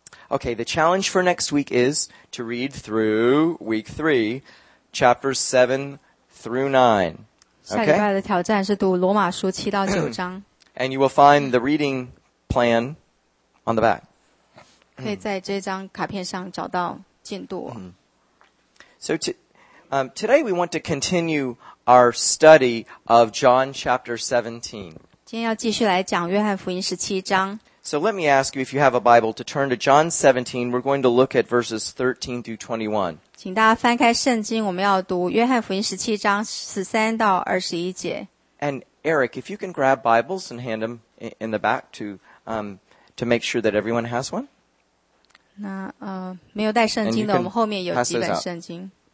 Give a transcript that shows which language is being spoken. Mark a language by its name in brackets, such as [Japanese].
[English] Okay, the challenge for next week is to read through week 3, chapters 7 through 9. Okay? [Chinese] 下礼拜的挑战是读罗马书七到九章。 [English] And you will find the reading plan on the back. [Chinese] 可以在这张卡片上找到进度。 [English] So today we want to continue our study of John chapter 17. [Chinese] 今天要继续来讲约翰福音十七章。 [English] So let me ask you if you have a Bible to turn to John 17. We're going to look at verses 13 through 21. [Chinese] 请大家翻开圣经，我们要读约翰福音十七章十三到二十一节。 [English] And Eric, if you can grab Bibles and hand them in the back to make sure that everyone has one. [Chinese] 那没有带圣经的，我们后面有几本圣经。